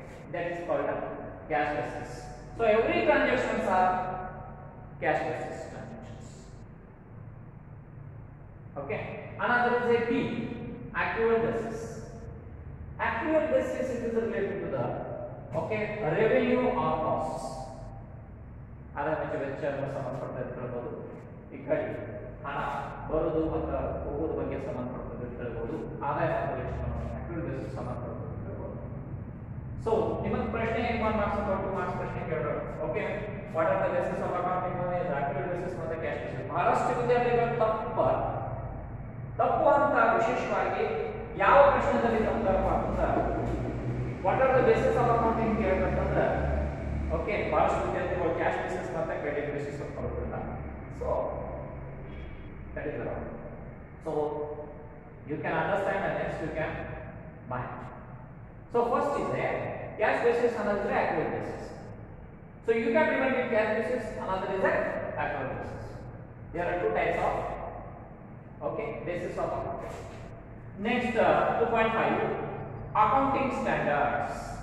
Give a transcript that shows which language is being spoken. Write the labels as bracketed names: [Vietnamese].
[English] That is called a cash basis. So every transactions are cash basis transactions. Okay, another is a P, accrual basis. Accrual basis is related to the okay revenue or costs. [Kannada] ಅದನ್ನು ವೆಚ್ಚವನ್ನು ಸಂಬಂಧಪಟ್ಟ ತಿಳ್ಕೊಳ್ಬಹುದು ಈ ಕಡೆ ಹಣ ಬರೋದು ಮತ್ತು ಹೋಗೋದು ಬಗ್ಗೆ ಸಂಬಂಧಪಟ್ಟ ತಿಳ್ಕೊಳ್ಬಹುದು ಆದಾಯ ಸಂಬಂಧ ಸಂಬಂಧಪಟ್ಟು ಸೊ ನಿಮಗೆ ಪ್ರಶ್ನೆ ಏನು ಒನ್ ಮಾರ್ಕ್ಸ್ ಅಥವಾ 2 ಮಾರ್ಕ್ಸ್ ಪ್ರಶ್ನೆ ಕೇಳೋದು [English] okay what are the basis of accounting activity basis [Kannada] ಮತ್ತೆ ಕ್ಯಾಶ್ ಬೇಸಿಸ್ ಬಹಳಷ್ಟು ವಿದ್ಯಾರ್ಥಿಗಳು ತಪ್ಪು ಅಂತ ವಿಶೇಷವಾಗಿ ಯಾವ ಪ್ರಶ್ನೆದಲ್ಲಿ ತಪ್ಪು ಅಂತ [English] what are the basis of accounting [Kannada] ಕೇಳಬೇಕಂದ್ರೆ okay ಬಹಳಷ್ಟು ವಿದ್ಯಾರ್ಥಿಗಳು ಕ್ಯಾಶ್ ಬೇಸಿಸ್ ಮತ್ತೆ ಕ್ರೆಡಿಟ್ ಬೇಸಿಸ್ ಕೊಡೋದಿಲ್ಲ [English] So that is wrong so you can understand and next you can bye So first is a cash basis, another is accrual basis. So you can remember it cash basis, another is accrual basis. There are two types of basis of accounting. Next 2.5 accounting standards.